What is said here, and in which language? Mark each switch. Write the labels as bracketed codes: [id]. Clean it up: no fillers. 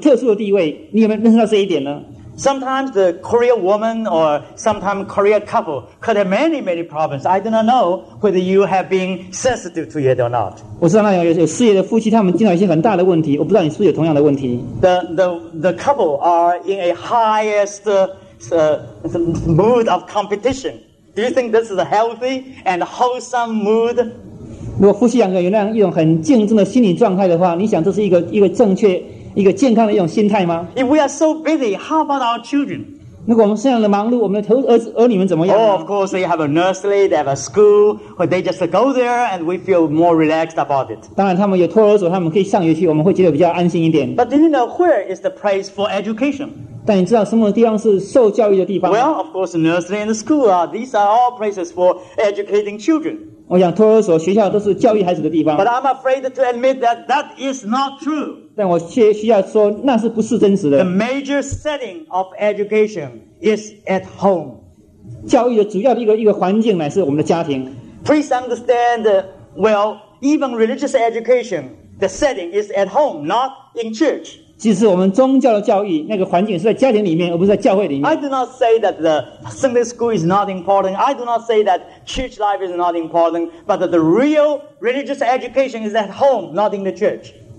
[zh] 我们在我们会说，我们基督徒在美国这个地方，我们就需要路见问俗来跟随美国人，他们做什么做什么。但是要记得，我们是基督徒，我们是中国的基督徒，我们在神的国度里面，我们特殊的地位。你有没有认识到这一点呢？ [en] Sometimes the Korean woman or sometimes Korean couple could have many, many problems. I do not know whether you have been sensitive to it or not. [zh] 我知道那有事业的夫妻，他们经常有一些很大的问题，我不知道你是不是有同样的问题。 [en] The couple are in a highest mood of competition. Do you think this is a healthy and wholesome mood? [zh] 如果夫妻两个有那样一种很竞争的心理状态的话，你想这是一个正确、一个健康的一种心态吗？ [en] If we are so busy, how about our children? Of course, they have a nursery, they have a school, but they just go there and we feel more relaxed about it. But do you know where is the place for education? Well, of course, nursery and the school, these are all places for educating children. But I'm afraid to admit that that is not true. [zh] 但我需要说, [en] the major setting of education is at home. [zh] 教育的主要的一个环境乃是我们的家庭。 [en] Please understand, well, even religious education, the setting is at home, not in church. [zh] 即使我们宗教的教育,那个环境是在家庭里面,而不是在教会里面。 [en] I do not say that the Sunday school is not important. I do not say that church life is not important. But that the real religious education is at home, not in the church.